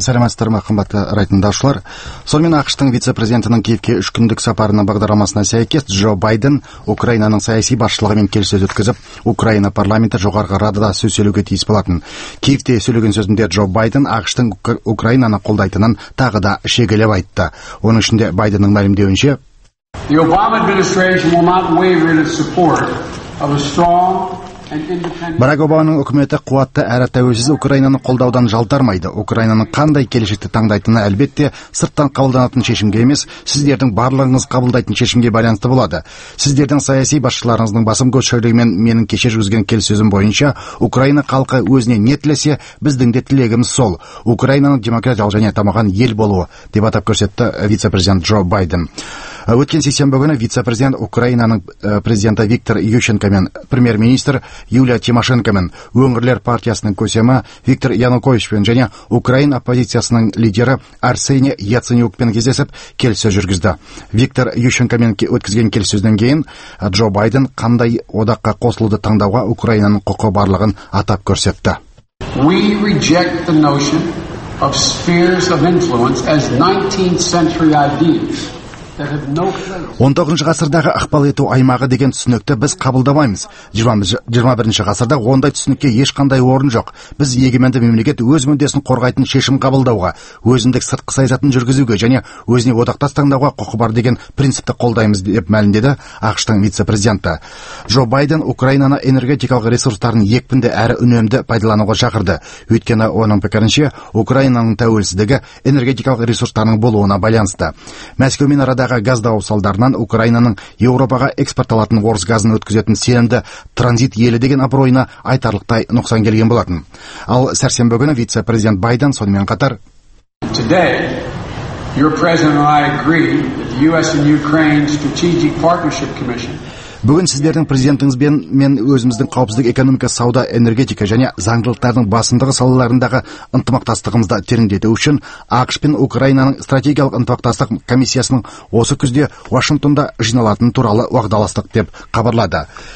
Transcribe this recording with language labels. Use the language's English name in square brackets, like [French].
[Kazakh] Сәлеметсіздер ме, қымбатты радиотыңдаушылар. Сонымен ақштың вице-президентінің Киевке 3 күндік сапарының бағдарламасына сәйкес Джо Байден Украинаның саяси басшылығымен келіссөз өткізіп, Украина парламенті жоғарғы радада сөз сөйлеуге тиіс болатын. Киевте сөйлеген сөзінде Джо Байден ақштың Украинаны қолдайтынын тағы да шегелеп айтты. Оның ішінде Байденнің мәлімдеуінше, [English] The Obama administration will not waver in its support of a strong [Kazakh] Барак Обаманың үкіметі қуатты әрі тәуелсіз Украинаны қолдаудан жалтармайды. Украинаның қандай келешекті таңдайтыны әлбетте сырттан қабылданатын шешімге емес, сіздердің барлығыңыз қабылдайтын шешімге байланысты болады. Сіздердің саяси басшыларыңыздың басым көпшілігімен менің кеше жүргізген келіссөзім бойынша Украина халқы өзіне не тілесе, біздің де тілегіміз сол. Украинаның демократиялық және дамыған ел болуы, деп атап көрсетті вице-президент Джо Байден. Өткен сессия күні вице-президент Украинаның президенті Виктор Ющенко мен премьер-министр Юлия Тимошенко мен өңірлер партиясының көсемі Виктор Януковичпен және Украин оппозициясының лидері Арсений Яценюкпен кездесіп келіссөз жүргізді. Виктор Ющенко мен өткізген келіссөзден кейін Джо Байден қандай одаққа қосылуды таңдауға Украинаның құқы барлығын атап көрсетті. [English] We reject the notion of spheres of influence as 19th century ideas. [Kazakh] 19-ші ғасырдағы ықпал ету аймағы деген түсінікті біз қабылдамаймыз. 21-ші ғасырда ондай түсінікке ешқандай орын жоқ. Біз егеменді мемлекет өз мүддесін қорғайтын шешім қабылдауға, өзіндік сыртқы саясатын жүргізуге және өзіне одақтас таңдауға құқы бар деген принципті қолдаймыз деп мәлімдеді ақштың вице-президенті. Джо Байден Украинаны энергетикалық ресурстарын екпінді әрі үнемді пайдалануға шақырды. Өйткені оның пікірінше Украинаның тәуелсіздігі энергетикалық ресурстарының болуына байланысты. Мәскеу мен арадағы газ дауы салдарынан Украинаның Еуропаға экспортталатын орыс газын өткізетін сенімді транзит елі деген абыройына айтарлықтай нұқсан келген болатын. Ал сәрсенбі күні вице-президент Байден сонымен қатар [English] Today, your president and I agree that the US and Ukraine Strategic Partnership Commission [Kazakh] Бүгін сіздердің президентіңіз бен мен өзіміздің қауіпсіздік экономика, сауда, энергетика және заңдылықтардың басындығы салаларындағы ынтымақтастығымызды тереңдету үшін ақш пен украинаның стратегиялық ынтымақтастық комиссиясының осы күзде вашингтонда жиналатыны туралы уағдаластық деп хабарлады.